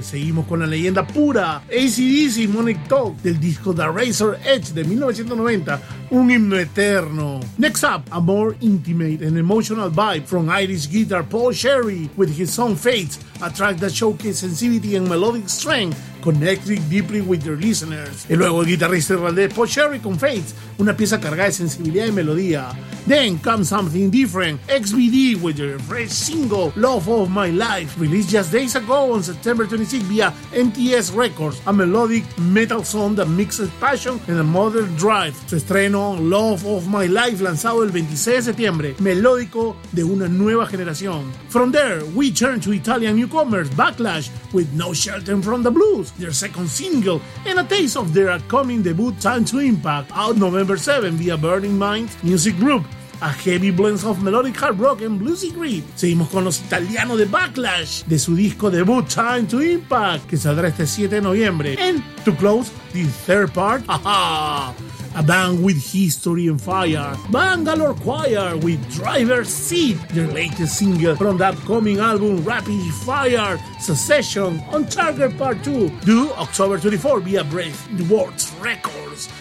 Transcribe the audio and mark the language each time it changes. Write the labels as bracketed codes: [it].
[es] Seguimos con la leyenda pura, AC/DC, Money Talk, del disco The Razor's Edge de 1990. Un himno eterno. [en] Next up, a more intimate and emotional vibe from Irish guitar Paul Sherry with his song Fates, a track that showcases sensitivity and melodic strength, connecting deeply with their listeners. [es] Y luego el guitarrista irlandés Paul Sherry con Fates, una pieza cargada de sensibilidad y melodía. [en] Then comes something different, XBD with their fresh single Love of My Life, released just days ago on September 26 via MTS Records, a melodic metal song that mixes passion and a modern drive. [es] Su estreno Love of My Life, lanzado el 26 de septiembre, melódico de una nueva generación. [en] From there, we turn to Italian newcomers Backlash with No Shelter from the Blues, their second single, and a taste of their upcoming debut Time to Impact, out November 7 via Burning Mind Music Group. A heavy blend of melodic hard rock and bluesy grip. [es] Seguimos con los italianos de Backlash, de su disco debut Time to Impact, que saldrá este 7 de noviembre. [en] And to close the third part, a band with history and fire, Bangalore Choir with Driver's Seat, their latest single from the upcoming album Rapid Fire Succession on Target Part 2, due October 24 via Brave Words Records.